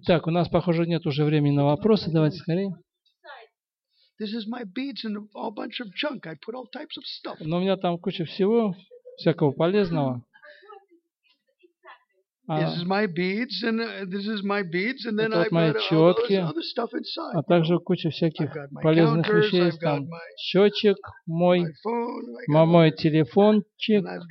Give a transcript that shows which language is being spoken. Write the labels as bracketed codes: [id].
[ru] Итак, у нас, похоже, нет уже времени на вопросы. Давайте скорее. [en] This is my beads and all bunch of junk. I put all types of stuff. [ru] Но у меня там куча всего, всякого полезного. [en] This is my beads and this is my beads and then I've got all this other stuff inside. [ru] А также куча всяких полезных вещей есть там. Счетчик мой, мой телефончик.